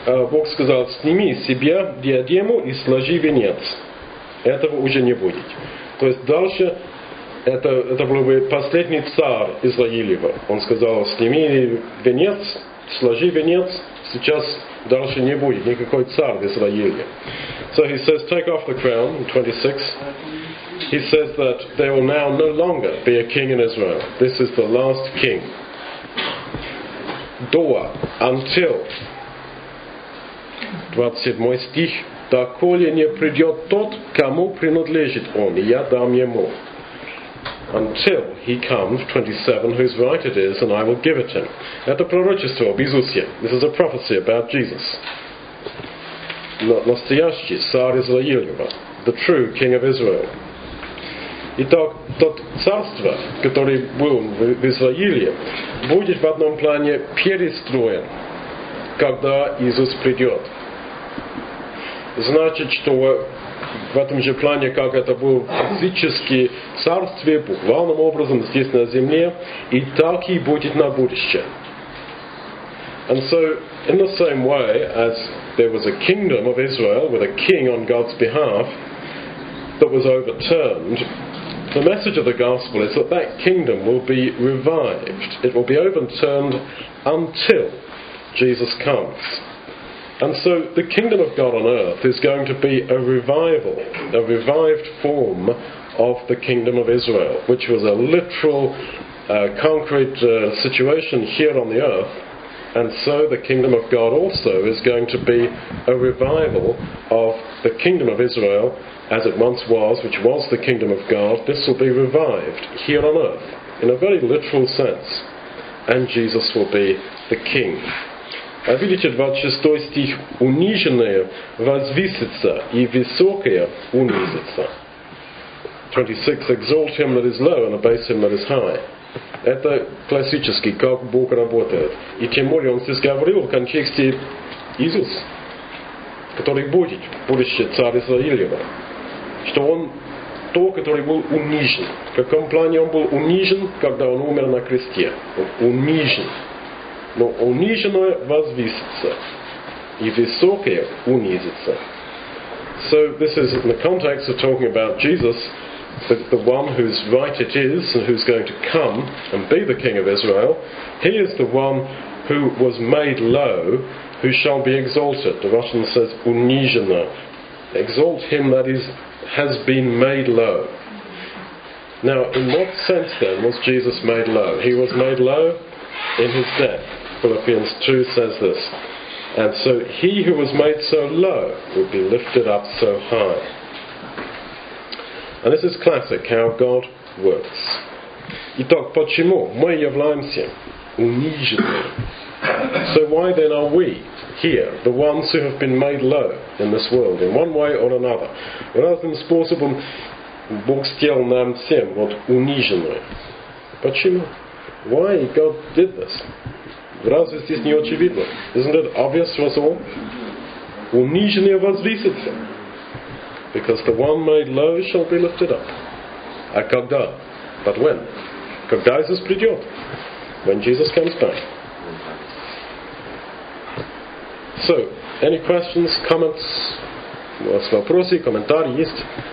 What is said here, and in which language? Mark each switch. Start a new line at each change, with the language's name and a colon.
Russian: Бог сказал, сними себе диадему и сложи венец. Этого уже не будет. То есть дальше, это был бы последний царь Израилева. Он сказал, сними венец, сложи венец, сейчас дальше не будет никакой царь в Израиле.
English: So he says, take off the crown, 26. He says that there will now no longer be a king in Israel. This is the last king.
Russian: До, until, 27 стих, доколе не придет тот, кому принадлежит он, и я дам ему.
English: Until he comes, 27, whose right it is, and I will give it him.
Russian: Это пророчество об Иисусе.
English: This is a prophecy about Jesus.
Russian: Настоящий царь Израилева,
English: the true king of Israel.
Russian: Итак, то царство, которое было в Израиле, будет в одном плане перестроено. когда Иисус придет. Значит, что в этом же плане, как это было в физическом царстве, буквальным образом здесь на земле, и так и будет на будущее.
English: And so, in the same way as there was a kingdom of Israel with a king on God's behalf that was overturned, the message of the gospel is that that kingdom will be revived. It will be overturned until Jesus comes. And so the kingdom of God on earth is going to be a revival, a revived form of the kingdom of Israel, which was a literal, concrete situation here on the earth. And so the kingdom of God also is going to be a revival of the kingdom of Israel as it once was, which was the kingdom of God. This will be revived here on earth in a very literal sense. And Jesus will be the king.
Russian: Видите, 26 стих, униженное возвысится и высокое унизится.
English: 26, exalt him that is low and abase him that is high.
Russian: Это классический, как Бог работает. И тем более он здесь говорил в контексте Иисус, который будет в будущем царь Израилева, что он то, который был унижен. В каком плане он был унижен, когда он умер на кресте? Унижен. Но униженное возвысится, и высокое унизится.
English: So this is in the context of talking about Jesus, the one whose right it is and who's going to come and be the king of Israel. He is the one who was made low, who shall be exalted. The Russian says униженное. Exalt him that is has been made low. Now, in what sense then was Jesus made low? He was made low in his death. Philippians 2 says this. And so he who was made so low would be lifted up so high. And this is classic how God works.
Russian: Итак, почему мы являемся униженными?
English: So why then are we here, the ones who have been made low in this world, in one way or another?
Russian: Разным способом Бог сделал нам всем вот униженными. Почему?
English: Why God did this?
Russian: Разве здесь не очевидно?
English: Isn't it obvious to us all?
Russian: Униженные возвысятся.
English: Because the one made low shall be lifted up.
Russian: А когда?
English: But when?
Russian: Когда Иисус придет?
English: When Jesus comes back. So, any questions, comments?
Russian: У вас вопросы, комментарии есть?